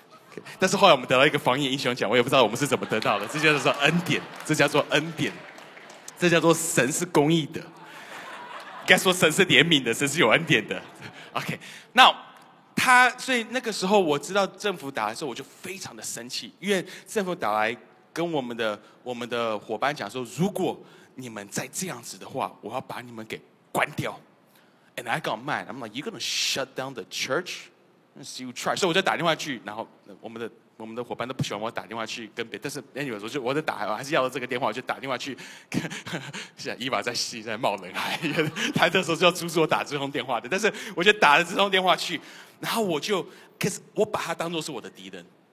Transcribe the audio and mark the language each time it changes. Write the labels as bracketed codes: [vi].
[zh] Okay， 但是后来我们得到一个防疫英雄奖，我也不知道我们是怎么得到的，这叫做恩典，这叫做恩典，这叫做神是公义的，应该说神是怜悯的，神是有恩典的。 OK， 那他所以那个时候我知道政府打来的时候我就非常的生气，因为政府打来跟我们的伙伴讲说，如果你们再这样子的话，我要把你们给关掉。 [en] And I got mad. I'm like, you're gonna shut down the church? Let's see you try. [zh] 所以我就打电话去，然后我们的伙伴都不喜欢我打电话去跟别人，但是 anyway， 我就打，我还是要了这个电话，我就打电话去。现在伊娃在心里在冒冷汗，他这时候就要阻止我打这通电话的，但是我就打了这通电话去，然后我就，可是我把他当作是我的敌人。